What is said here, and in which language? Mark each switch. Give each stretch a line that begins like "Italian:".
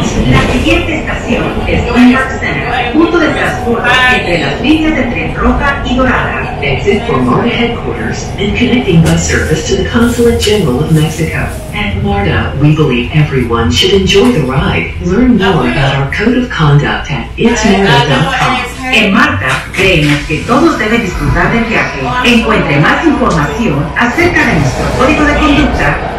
Spanish: La siguiente estación es Lindbergh Center, punto de transporte entre las líneas de tren roja y dorada.
English: Exit for MARTA headquarters and connecting bus service to the Consulate General of Mexico. At MARTA, we believe everyone should enjoy the ride. Learn more about our code of conduct at itsmarta.com.
Spanish: En MARTA, creemos que todos deben disfrutar del viaje. Encuentre más información acerca de nuestro código de conducta.